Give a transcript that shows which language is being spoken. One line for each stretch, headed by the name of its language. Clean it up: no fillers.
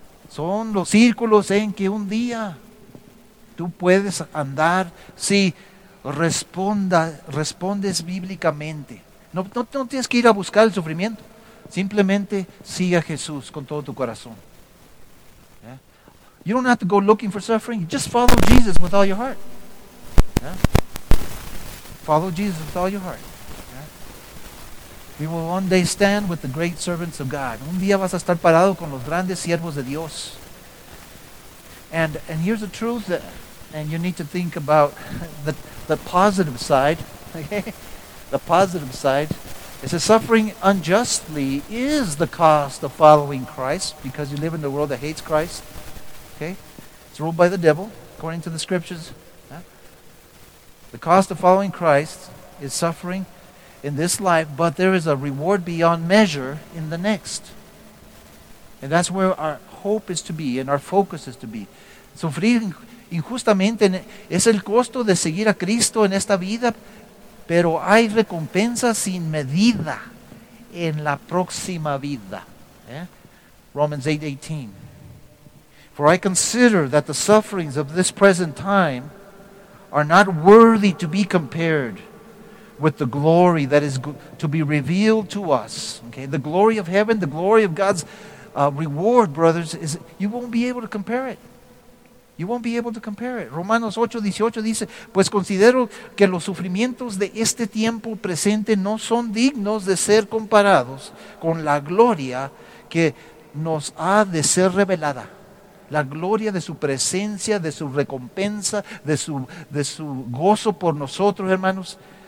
Spanish: Son los círculos en que un día tú puedes andar si respondes bíblicamente. No tienes que ir a buscar el sufrimiento, simplemente sigue a Jesús con todo tu corazón.
English: You don't have to go looking for suffering. Just follow Jesus with all your heart. Yeah? Follow Jesus with all your heart. Yeah? We will one day stand with the great servants of God. Un día vas a estar parado con los grandes siervos de Dios. And here's the truth, and you need to think about the positive side. Okay? The positive side. It says suffering unjustly is the cost of following Christ, because you live in the world that hates Christ. Okay, it's ruled by the devil, according to the scriptures. Yeah? The cost of following Christ is suffering in this life, but there is a reward beyond measure in the next. And that's where our hope is to be and our focus is to be.
Spanish: Sufrir injustamente es el costo de seguir a Cristo en esta vida, pero hay recompensa sin medida en la próxima vida.
English: Yeah? Romans 8:18. For I consider that the sufferings of this present time are not worthy to be compared with the glory that is to be revealed to us. Okay, the glory of heaven, the glory of God's reward, brothers, is you won't be able to compare it. You won't be able to compare it.
Spanish: Romanos 8:18 dice, pues considero que los sufrimientos de este tiempo presente no son dignos de ser comparados con la gloria que nos ha de ser revelada. La gloria de su presencia, de su recompensa, de su gozo por nosotros, hermanos.